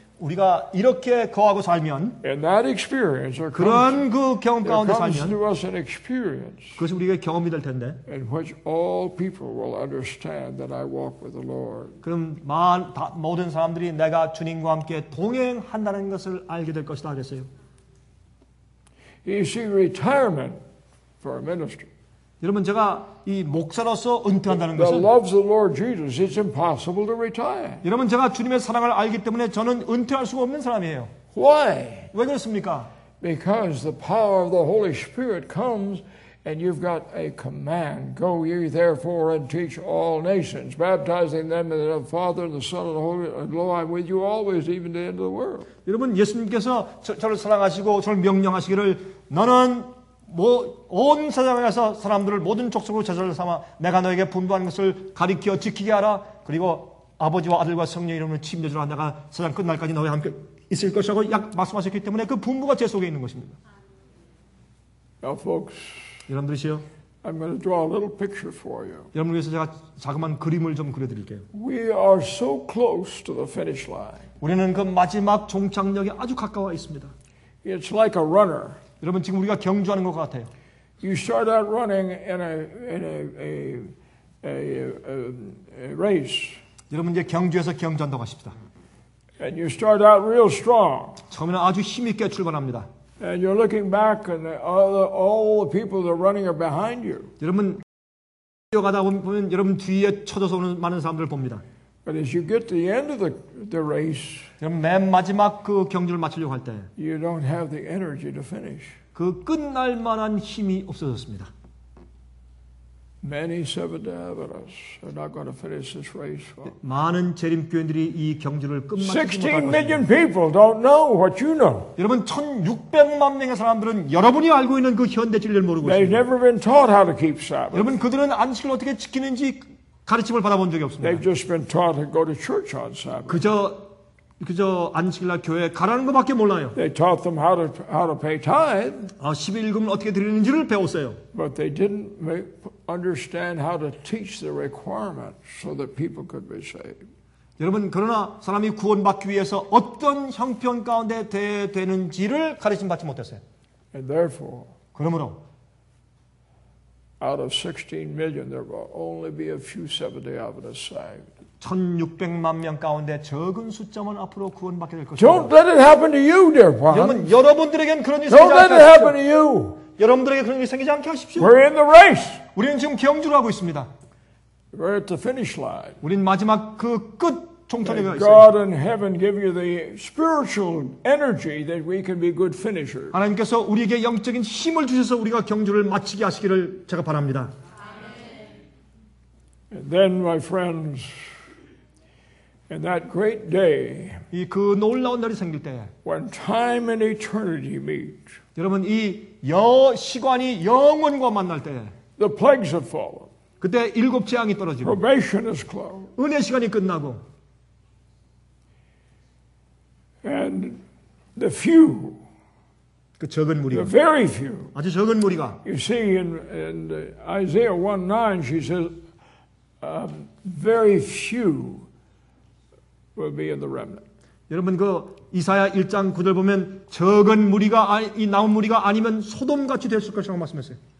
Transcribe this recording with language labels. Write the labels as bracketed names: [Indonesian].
[Korean] 우리가 이렇게 거하고 살면 그런 그 경험 가운데 살면 그것이 우리에게 경험이 될 텐데 그럼 모든 사람들이 내가 주님과 함께 동행한다는 것을 알게 될 것이다 그랬어요. [English] You see retirement for a ministry. [Korean] 여러분 제가 이 목사로서 은퇴한다는 것은 여러분 제가 주님의 사랑을 알기 때문에 저는 은퇴할 수가 없는 사람이에요. [English] Why? [Korean] 왜 그렇습니까? [English] Because the power of the Holy Spirit comes and you've got a command. Go ye therefore and teach all nations, baptizing them in the name of the Father and the Son and the Holy Spirit. And lo, I'm with you always, even to the end of the world. [Korean] 여러분 예수님께서 저를 사랑하시고 저를 명령하시기를 너는 온 세상에서 사람들을 모든 족속으로 제자를 삼아 내가 너에게 분부한 것을 가리켜 지키게 하라 그리고 아버지와 아들과 성령 이름으로 침례주라 내가 세상 끝날까지 너와 함께 있을 것이라고 말씀하셨기 때문에 그 분부가 제 속에 있는 것입니다. [English] Now, folks, [Korean] 여러분들이시여 [English] I'm going to draw a little picture for you. [Korean] 여러분 위해서 제가 자그마한 그림을 좀 그려드릴게요. [English] We are so close to the finish line. [Korean] 우리는 그 마지막 종착역에 아주 가까워 있습니다. [English] It's like a runner. [Korean] 여러분 지금 우리가 경주하는 것 같아요. [English] You start out running in a race. [Korean] 여러분 이제 경주에서 경주한다고 하십니다. [English] And you start out real strong. [Korean] 처음에는 아주 힘 있게 출발합니다. [English] And you're looking back and all the people that are running are behind you. [Korean] 여러분 가다 보면 여러분 뒤에 쳐져서 오는 많은 사람들을 봅니다. [English] But as you get to the end of the race, [Korean] 그럼 맨 마지막 그 경주를 마치려고 할 때, [English] you don't have the energy to finish. [Korean] 그 끝날 만한 힘이 없어졌습니다. [English] Many Sabbath-devotees are not going to finish this race. [Korean] 많은 재림교인들이 이 경주를 끝마치지 못할 것입니다. [English] 16 million people don't know what you know. [Korean] 여러분 1,600만 명의 사람들은 여러분이 알고 있는 그 현대 진리를 모르고 있습니다. [English] They've never been taught how to keep Sabbath. [Korean] 여러분 그들은 안식일을 어떻게 지키는지 가르침을 받아본 적이 없습니다. [English] They've just been taught to go to church on Sabbath. [Korean] 그저 안식일날 교회에 가라는 것밖에 몰라요. [English] They taught them how to pay tithe. [Korean] 십일금을 어떻게 드리는지를 배웠어요. [English] But they didn't understand how to teach the requirements so that people could be saved. [Korean] 여러분 그러나 사람이 구원받기 위해서 어떤 형편 가운데 되는지를 가르침 받지 못했어요. [English] And therefore, [Korean] 그러므로 [English] out of 16 million, there will only be a few Seventh-day Adventists saved. [Korean] 1,600만 명 가운데 적은 숫자만 앞으로 구원받게 될 것입니다. [English] Don't let it happen to you, dear one. [Korean] 여러분, 여러분들에겐 그런 일이 생기지 않게 하십시오. 여러분들에게 그런 일이 생기지 않게 하십시오. [English] We're in the race. [Korean] 우리는 지금 경주를 하고 있습니다. [English] We're at the finish line. [Korean] 우린 마지막 그 끝 종착역에 있어요. [English] God in heaven give you the spiritual energy that we can be good finishers. [Korean] 하나님께서 우리에게 영적인 힘을 주셔서 우리가 경주를 마치게 하시기를 제가 바랍니다. [English] And then, my friends. In that great day, [Korean] 이 그 놀라운 날이 생길 때, [English] when time and eternity meet, [Korean] 여러분 이 여 시간이 영원과 만날 때, [English] the plagues have fallen, [Korean] 그때 일곱 재앙이 떨어지고, [English] probation is closed, [Korean] 은혜 시간이 끝나고, [English] and the few, [Korean] 그 적은 무리가, [English] the very few, [Korean] 아주 적은 무리가, [English] you see in Isaiah 1:9, she says, very few. Will be in the remnant. [Korean] 여러분 그 이사야 1장 9절 보면 적은 무리가 이 남은 무리가 아니면 소돔 같이 될 것이라고 말씀했어요.